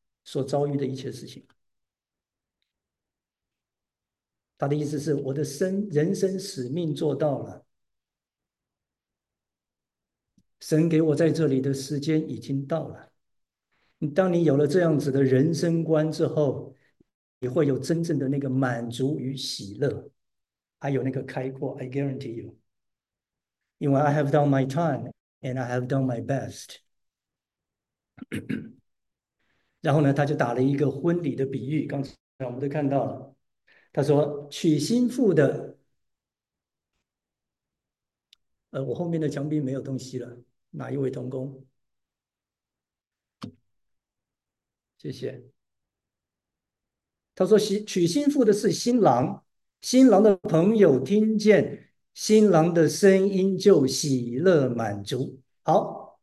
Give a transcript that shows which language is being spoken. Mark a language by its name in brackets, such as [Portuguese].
[Chinese] 所遭遇的一切事情，他的意思是，我的人生使命做到了，神给我在这里的时间已经到了。当你有了这样子的人生观之后，你会有真正的那个满足与喜乐，还有那个开阔。 [English] I guarantee you，因为 I have done my time and I have done my best [Chinese] 然后呢，他就打了一个婚礼的比喻。刚才我们都看到了，他说娶新妇的，我后面的墙壁没有东西了，哪一位童工？谢谢。他说娶新妇的是新郎，新郎的朋友听见新郎的声音就喜乐满足。好。